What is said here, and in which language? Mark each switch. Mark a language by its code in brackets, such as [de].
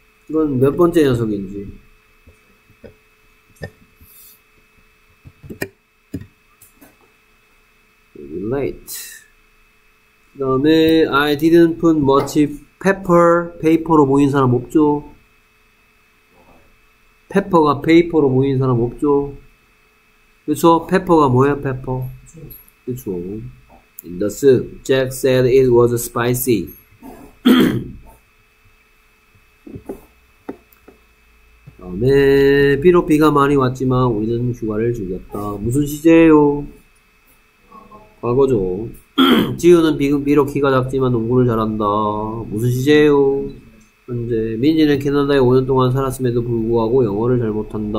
[ko] 이건 몇 번째 녀석인지 late. 그 다음에 [en] I didn't put much pepper. [ko] 페이퍼로 모인 사람 없죠. 페퍼가 페이퍼로 모인 사람 없죠. 그쵸? 페퍼가 뭐예요? 페퍼 그쵸? [en] In the soup, Jack said it was spicy. [ko] 다음에 비록 비가 많이 왔지만 우리는 휴가를 즐겼다. 무슨 시제예요? 과거죠. 지우는 비록 키가 작지만 농구를 잘한다. 무슨 시제예요? 현재 민지는 캐나다에 5년 동안 살았음에도 불구하고 영어를 잘 못한다.